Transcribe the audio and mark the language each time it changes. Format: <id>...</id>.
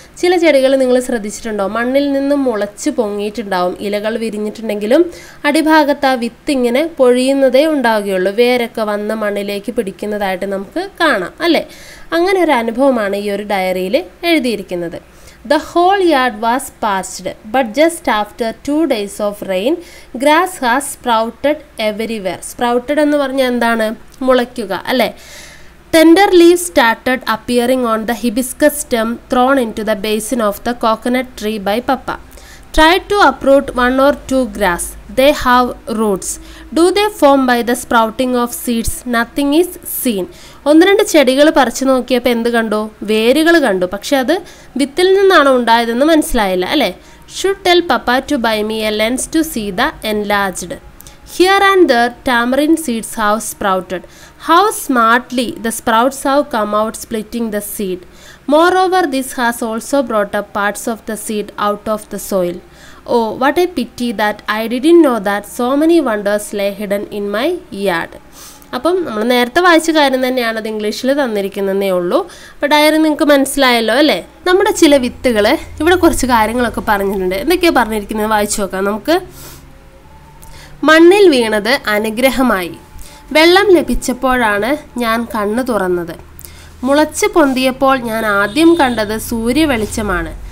<ml>ചില ചെടികൾ നിങ്ങൾ ശ്രദ്ധിച്ചിട്ടുണ്ടോ, മണ്ണിൽ നിന്നും മുളച്ചു പൊങ്ങിയിട്ടുണ്ടാവും. ഇലകൾ വിരിഞ്ഞിട്ടുണ്ടെങ്കിലും അടിഭാഗത്ത് ആ വിത്ത് ഇങ്ങനെ പൊഴിയുന്നതേ ഉണ്ടാവുകയുള്ളൂ. വേരൊക്കെ വന്ന് മണ്ണിലേക്ക് പിടിക്കുന്നതായിട്ട് നമുക്ക് കാണാം അല്ലേ. അങ്ങനെ ഒരു അനുഭവമാണ് ഈ ഒരു ഡയറിയിൽ എഴുതിയിരിക്കുന്നത്.</ml> <en>The whole yard was parched, but just after 2 days of rain, grass has sprouted everywhere.</en> <ml>Sprouted എന്ന് പറഞ്ഞാൽ എന്താണ്? മുളയ്ക്കുക അല്ലേ.</ml> <en>Tender leaves started appearing on the hibiscus stem thrown into the basin of the coconut tree by Papa. Try to uproot one or two grass. They have roots. Do they form by the sprouting of seeds? Nothing is seen.</en> <ml>ഒന്ന് രണ്ട് ചെടികൾ പറിച്ചു നോക്കിയപ്പോൾ എന്ത് കണ്ടു? വേരുകൾ കണ്ടു. പക്ഷെ അത് വിത്തിൽ നിന്നാണ് ഉണ്ടായതെന്ന് മനസ്സിലായില്ല അല്ലേ.</ml> <en>Should tell Papa to buy me a lens to see the enlarged. Here and there tamarind seeds have sprouted. How smartly the sprouts have come out splitting the seed. Moreover, this has also brought up parts of the seed out of the soil. Oh, what a pity that I didn't know that so many wonders lay hidden in my yard.</en> <ml>അപ്പം നമ്മൾ നേരത്തെ വായിച്ച കാര്യം തന്നെയാണത് ഇംഗ്ലീഷിൽ തന്നിരിക്കുന്നതേ ഉള്ളൂ. അപ്പോൾ diary നിങ്ങൾക്ക് മനസ്സിലായല്ലോ അല്ലേ. നമ്മുടെ ചില വിത്തുകൾ ഇവിടെ കുറച്ച് കാര്യങ്ങളൊക്കെ പറഞ്ഞിട്ടുണ്ട്. എന്തൊക്കെയാണ് പറഞ്ഞിരിക്കുന്നത് വായിച്ചു നോക്കാം നമുക്ക്. മണ്ണിൽ വീണത് അനുഗ്രഹമായി. വെള്ളം ലഭിച്ചപ്പോഴാണ് ഞാൻ കണ്ണു തുറന്നത്. മുളച്ച് പൊന്തിയപ്പോൾ ഞാൻ ആദ്യം കണ്ടത് സൂര്യവെളിച്ചമാണ്.</ml>